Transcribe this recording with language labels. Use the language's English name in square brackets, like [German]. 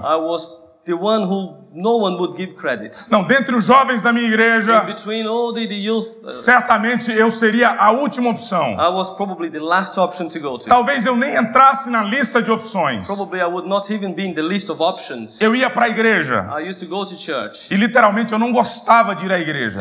[English] I was the one who no one would give credit. [Portuguese] Não, dentre os jovens da minha igreja, [English] in between all the youth, [Portuguese] certamente eu seria a última opção. [English] I was probably the last option to go to. [Portuguese] Talvez eu nem entrasse na lista de opções. [English] Probably I would not even be in the list of options. [Portuguese] Eu ia para a igreja. [English] I used to go to church. [Portuguese] E literalmente eu não gostava de ir à igreja.